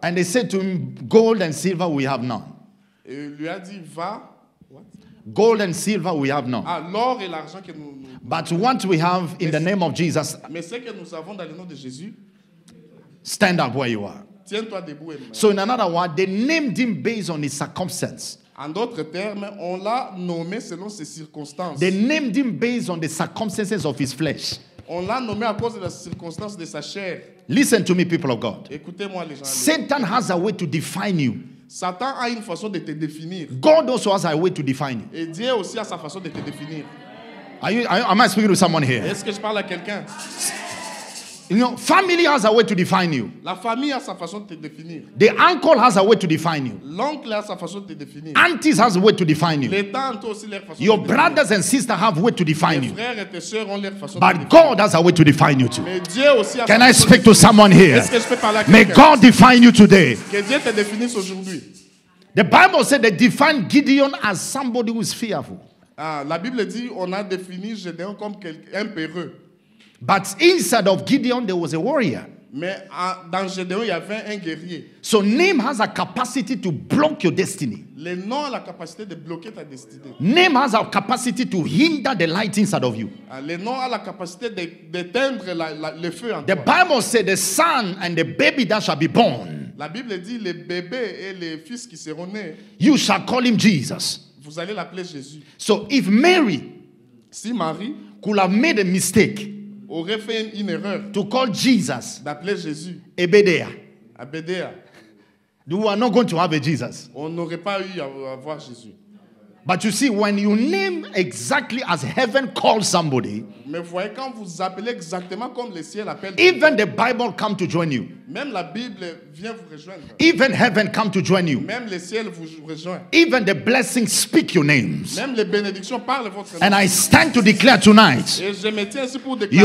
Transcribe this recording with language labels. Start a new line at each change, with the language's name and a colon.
English: And they said to him, gold and silver we have none.
French: Et il lui a dit, va. What?
English: Gold and silver we have none.
French: Ah, l'or et l'argent que nous.
English: But what we have in the name of Jesus.
French: Mais ce que nous avons dans le nom de Jésus.
English: Stand up where you are.
French: Tiens-toi debout. Et
English: so in another word, they named him based on his circumstance.
French: En d'autres termes, on l'a nommé selon ses circonstances.
English: They named him based on the circumstances of his flesh.
French: On l'a nommé à cause de la circonstance de sa chair.
English: Listen to me, people of God.
French: Écoutez-moi, les gens.
English: Satan has a way to define you.
French: Satan a une façon de te définir.
English: God also has a way to define you.
French: Et Dieu aussi a sa façon de te définir.
English: Am I speaking to someone here?
French: Est-ce que je parle à quelqu'un?
English: You know, family has a way to define you.
French: La famille a sa façon de te définir.
English: The uncle has a way to define you.
French: L'oncle a sa façon de te définir.
English: Aunties has a way to define you.
French: Les tantes aussi leur façon.
English: Your brothers and sisters have a way to define you.
French: Tes frères et tes sœurs ont leur façon.
English: But God has a way to define you too.
French: Mais Dieu aussi a.
English: Can I speak to someone here?
French: Est-ce que je peux parler à quelqu'un?
English: May God define you today.
French: Que Dieu te définisse aujourd'hui.
English: The Bible said they define Gideon as somebody who is fearful.
French: Ah, la Bible dit on a défini Gédéon comme quelqu'un peureux.
English: But inside of Gideon there was a warrior.
French: Mais dans Gédéon il y avait un guerrier.
English: So name has a capacity to block your destiny.
French: Le nom a la capacité de bloquer ta destinée.
English: Name has a capacity to hinder the light inside of you.
French: Le nom a la capacité d'éteindre le feu en toi.
English: The Bible said the son and the baby that shall be born.
French: La Bible dit les bébés et les fils qui seront nés.
English: You shall call him Jesus.
French: Vous allez l'appeler Jésus.
English: So if Mary,
French: si Marie,
English: could have made a mistake,
French: aurait fait une erreur,
English: to call Jesus,
French: d'appeler Jésus,
English: Ebedea, we are not going to have a Jesus.
French: On n'aurait pas eu à avoir Jésus.
English: But you see, when you name exactly as heaven calls somebody,
French: mais voyez, quand vous appelez exactement comme le ciel appelle,
English: even the Bible come to join you.
French: Même la Bible vient vous rejoindre.
English: Even heaven come to join you.
French: Même le ciel vous rejoint.
English: Even the blessings speak your names.
French: Même les bénédictions parlent votre nom.
English: And I stand to declare tonight,
French: et je me tiens ici pour déclarer,